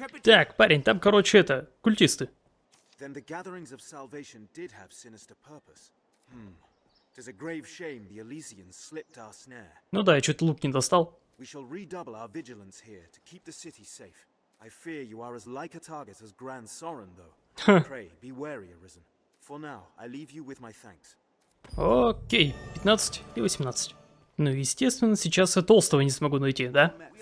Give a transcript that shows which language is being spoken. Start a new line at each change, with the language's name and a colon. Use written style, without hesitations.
Russian: Так, парень, там, короче, это, культисты. Ну да, я чуть лук не достал.
English: We shall redouble our vigilance here to keep the city safe. I fear you are as like a target as Grand Sorin, though. Pray, be wary, Arisen. For now, I leave you with my thanks.
Russian: Окей, 15 и 18. Ну, естественно, сейчас я толстого не смогу найти, да?